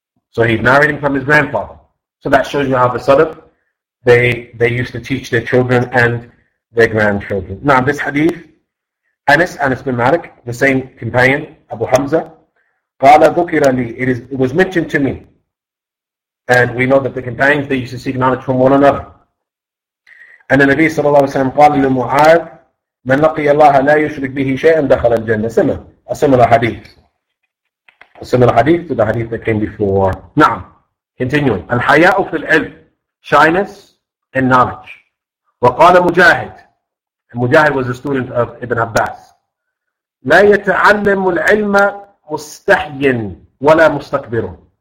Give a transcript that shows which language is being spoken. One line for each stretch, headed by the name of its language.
English: So he's narrating from his grandfather. So that shows you how the Salaf, they used to teach their children and their grandchildren. Now this hadith, Anas bin Malik, the same companion, Abu Hamza,
Arabic: قَالَ ذُكِرَ لِي
English: It was mentioned to me. And we know that the companions, they used to seek knowledge from one another.
Arabic: أن النبي صلى الله عليه وسلم قال لمعاذ من لقي الله لا يشرك به شيئا دخل الجنة.
English: A similar hadith. A similar hadith to the hadith that came before.
Arabic: نعم.
English: Continuing.
Arabic: الحياء في العلم.
English: Shyness in knowledge.
Arabic: وقال مجاهد.
English: And Mujahid was a student of Ibn Abbas.
Arabic: لا يتعلم العلم مستحي ولا مستكبر.